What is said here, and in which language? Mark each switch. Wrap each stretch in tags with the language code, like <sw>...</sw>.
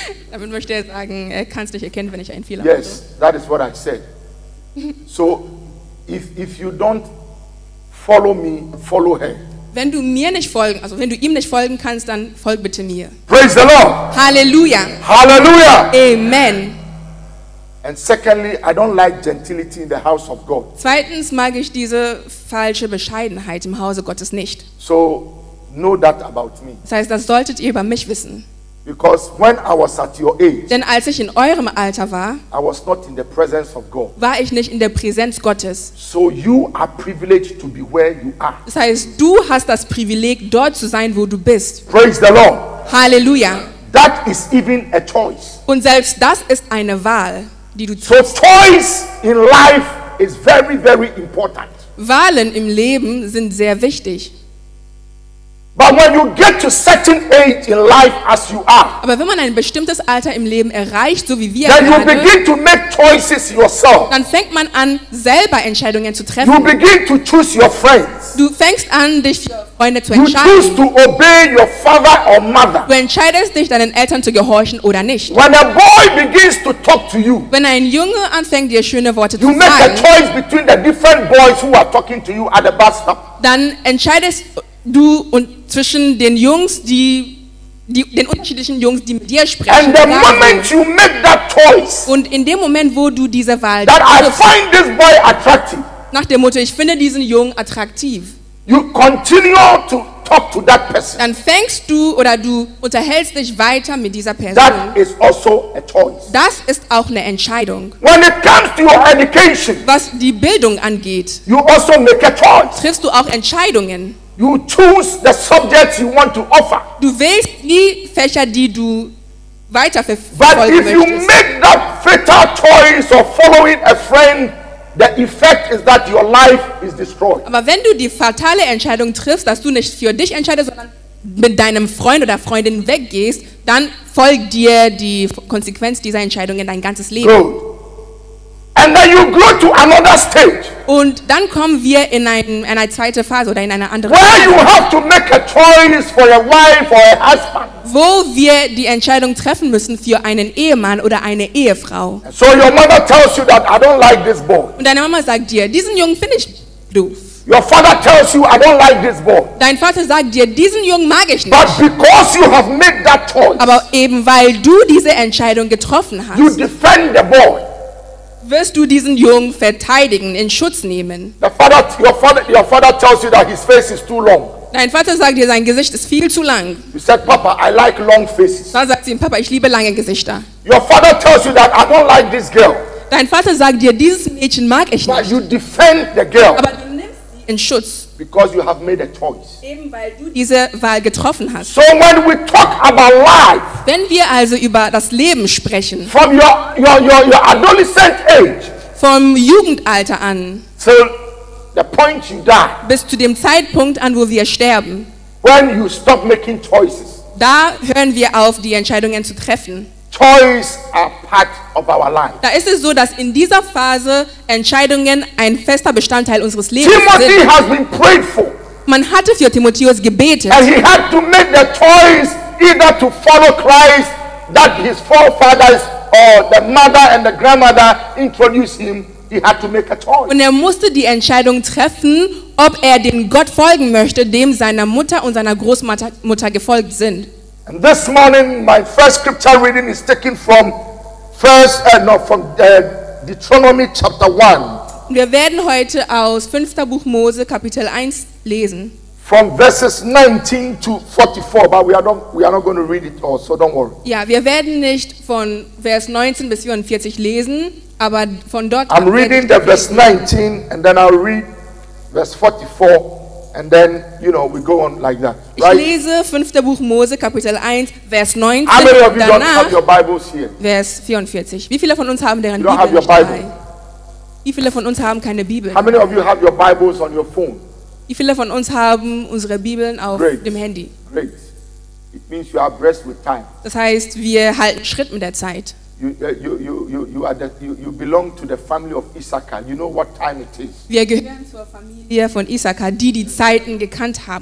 <de>Damit möchte er sagen, er kann es nicht erkennen, wenn ich einen Fehler</de> <en>yes,</en> <de>habe.</de> <en>Yes, that is what I said. So, if you don't follow me, follow her.</en> <de>Wenn du mir nicht folgen, also wenn du ihm nicht folgen kannst, dann folg bitte mir.</de> <en>Praise the Lord. Hallelujah. Hallelujah. Amen. And secondly, I don't like gentility in the house of God.</en> <de>Zweitens mag ich diese falsche Bescheidenheit im Hause Gottes nicht.</de> <en>So, know that about me.</en> <de>Das heißt, das solltet ihr über mich wissen.</de> <en>Because when I was at your age,</en> <de>denn als ich in eurem Alter war,</de> <en>I was not in the presence of God.</en> <de>War ich nicht in der Präsenz Gottes.</de> <en>So you are privileged to be where you are.</en> <de>Das heißt, du hast das Privileg, dort zu sein, wo du bist.</de> <en>Praise the Lord.</en> <de>Halleluja.</de> <en>That is even a choice.</en> <de>Und selbst das ist eine Wahl, die du triffst.</de> <en>So choice in life is very, very important.</en> <de>Wahlen im Leben sind sehr wichtig.</de> <en>But when you get to certain age in life as you are,</en> <de>aber wenn man ein bestimmtes Alter im Leben erreicht, so wie wir,</de> <en>then you begin to make choices yourself.</en> <de>Dann fängt man an, selber Entscheidungen zu treffen.</de> <en>You begin to choose your friends.</en> <de>Du fängst an, dich für Freunde zu</de> <en>you</en> <de>entscheiden.</de> <en>You choose to obey your father or mother.</en> <de>Du entscheidest dich, deinen Eltern zu gehorchen oder nicht.</de> <en>When a boy begins to talk to you,</en> <de>wenn ein Junge anfängt, dir schöne Worte zu sagen,</de> <en>you make a choice between the different boys who are talking to you at the bus stop.</en> <de>Dann entscheidest du und zwischen den Jungs, den unterschiedlichen Jungs, die mit dir sprechen.</de> <en>And the moment you make that choice,</en> <de>und in dem Moment, wo du diese Wahl triffst, nach dem Motto, ich finde diesen Jungen attraktiv,</de> <en>you continue to talk to that person.</en> <de>Dann fängst du oder du unterhältst dich weiter mit dieser Person.</de> <en>That is also a choice.</en> <de>Das ist auch eine Entscheidung.</de> <en>When it comes to your education,</en> <de>was die Bildung angeht,</de> <en>you also make a choice.</en> <de>Triffst du auch Entscheidungen.</de> <en>You choose the subjects you want to offer.</en> <de>Du wählst die Fächer, die du weiterverfolgen</de> <en>But if you make that fatal choice of following a friend, the effect is that your life is destroyed.</en> <de>Aber wenn du die fatale Entscheidung triffst, dass du nicht für dich entscheidest, sondern mit deinem Freund oder Freundin weggehst, dann folgt dir die Konsequenz dieser Entscheidung in dein ganzes Leben.</de> <en>Good. And then you grow to another stage.</en> <de>Und dann kommen wir in eine zweite Phase oder in eine andere Phase.</de> <en>Where you have to make a choice for a wife or a husband.</en> <de>Wo wir die Entscheidung treffen müssen für einen Ehemann oder eine Ehefrau.</de> <en>So your mother tells you that I don't like this boy.</en> <de>Und deine Mama sagt dir, diesen Jungen finde ich doof.</de> <en>Your father tells you I don't like this boy.</en> <de>Dein Vater sagt dir, diesen Jungen mag ich nicht.</de> <en>But because you have made that choice.</en> <de>Aber eben weil du diese Entscheidung getroffen hast.</de> <en>You defend the boy.</en> <de>Wirst du diesen Jungen verteidigen, in Schutz nehmen?</de> <en>Your father tells you that his face is too long.</en> <de>Dein Vater sagt dir, sein Gesicht ist viel zu lang.</de> <en>You said, Papa, I like long faces.</en> <de>Dann sagt sie ihm, Papa, ich liebe lange Gesichter.</de> <en>Your father tells you that I don't like this girl.</en> <de>Dein Vater sagt dir, dieses Mädchen mag ich</de> <en>But</en> <de>nicht.</de> <en>You defend the girl.</en> <de>Aber du nimmst sie in Schutz.</de> <en>Because you have made a choice.</en> <de>Eben weil du diese Wahl getroffen hast.</de> <en>So when we talk about life,</en> <de>wenn wir also über das Leben sprechen,</de> <en>from your adolescent age,</en> <de>vom Jugendalter an,</de> <en>to the point you die,</en> <de>bis zu dem Zeitpunkt an, wo wir sterben,</de> <en>when you stop making choices,</en> <de>da hören wir auf, die Entscheidungen zu treffen.</de> <en>Choices are part of our life.</en> <de>Da ist es so, dass in dieser Phase Entscheidungen ein fester Bestandteil unseres Lebens sind.</de> <en>Timothy has been prayed for.</en> <de>Man hatte für Timotheus gebetet.</de> <en>And he had to make the choice either to follow Christ that his forefathers or the mother and the grandmother introduced him. He had to make a choice.</en> <de>Und er musste die Entscheidung treffen, ob er dem Gott folgen möchte, dem seiner Mutter und seiner Großmutter gefolgt sind.</de> <en>And this morning, my first scripture reading is taken from Deuteronomy chapter 1.</en> <de>Wir werden heute aus 5. Buch Mose Kapitel 1 lesen.</de> <en>From verses 19 to 44, but we are not going to read it all, so don't worry.</en> <de>Ja, wir werden nicht von Vers 19 bis 44 lesen, Aber von dort</de> <en>I'm reading the verse 19 and then I'll read verse 44 and then, you know, we go on like that.</en> <de>Ich</de> <en>right?</en> <de>lese 5. Buch Mose, Kapitel 1, Vers 19.</de> <en>How many of you</en> <de>danach,</de> <en>don't have your Bibles here?</en> <de>Vers 44. Wie viele von uns haben deren</de> <en>you</en> <de>Bibel</de> <en>don't have your Bible.</en> <de>Wie viele von uns haben keine Bibel?</de> <en>How many of you have your Bibles on your phone?</en> <de>Wie viele von uns haben unsere Bibeln auf</de> <en>Great.</en> <de>Dem Handy?</de> <en>Great. It means you are blessed with time.</en> <de>Das heißt, wir halten Schritt mit der Zeit.</de> <en>You belong to the family of Issachar. You know what time it is.</en> <de>Wir gehören zur Familie von Issachar, die Zeiten gekannt haben.</de>